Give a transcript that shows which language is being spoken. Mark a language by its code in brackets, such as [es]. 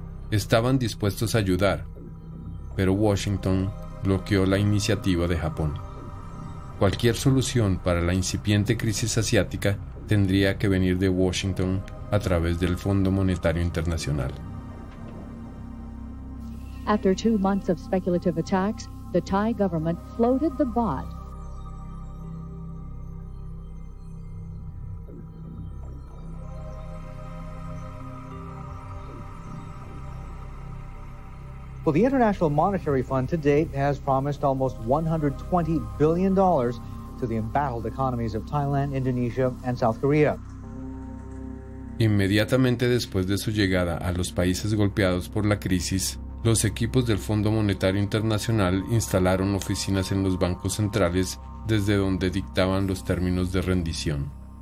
[es] Estaban dispuestos a ayudar, pero Washington bloqueó la iniciativa de Japón. Cualquier solución para la incipiente crisis asiática tendría que venir de Washington a través del Fondo Monetario Internacional. [en] After 2 months of speculative attacks, the Thai government floated the baht. Well, the International Monetary Fund to date has promised almost $120 billion to the embattled economies of Thailand, Indonesia, and South Korea. [es] Inmediatamente después de su llegada a los países golpeados por la crisis, los equipos del Fondo Monetario Internacional instalaron oficinas en los bancos centrales desde donde dictaban los términos de rendición.